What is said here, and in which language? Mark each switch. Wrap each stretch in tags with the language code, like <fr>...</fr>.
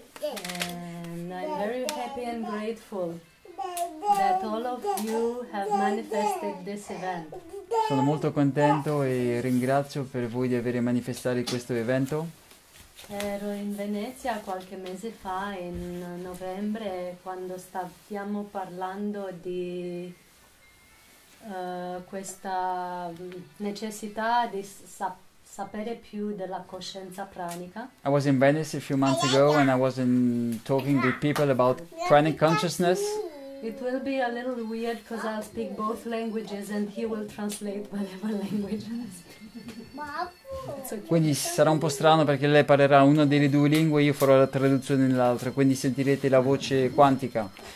<en>And I'm very happy and grateful that all of you have manifested this event.</en> <it>Sono molto contento e ringrazio per voi di aver manifestato questo evento. Ero in Venezia qualche mese fa, in novembre, quando stavamo parlando di questa necessità di sapere più della coscienza pranica.</it> <en>I was in Venice a few months ago and I was talking with people about pranic consciousness. It will be a little weird because I'll speak both languages and he will translate whatever language I speak. Okay.</en> <it>Quindi sarà un po' strano perché lei parlerà una delle due lingue e io farò la traduzione nell'altra, quindi sentirete la voce quantica.</it>